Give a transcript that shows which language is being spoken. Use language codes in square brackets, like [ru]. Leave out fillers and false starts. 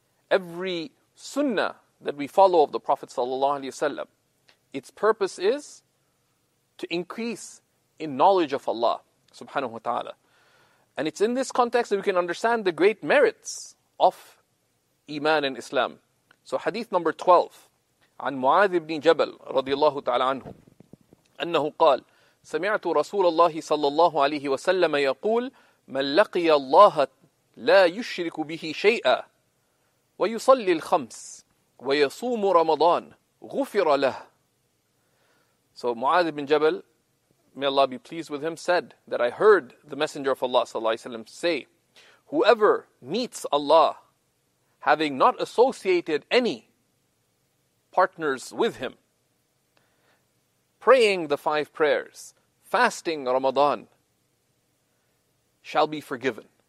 [en] Every sunnah that we follow of the Prophet ﷺ, its purpose is to increase in knowledge of Allah subhanahu wa ta'ala. And it's in this context that we can understand the great merits of Iman and Islam. So hadith number 12, [ar] عن معاذ بن جبل رضي الله تعالى عنه أنه قال سمعت رسول الله صلى الله عليه وسلم يقول من لقي الله لا يشرك به شيئا ويصلي الخمس ويصوم رمضان غفر له. [en] So معاذ بن جبل, may Allah be pleased with him, said that I heard the Messenger of Allah sallallahu alaihi wasallam say, whoever meets Allah having not associated any partners with him, praying the five prayers, fasting Ramadan, shall be forgiven.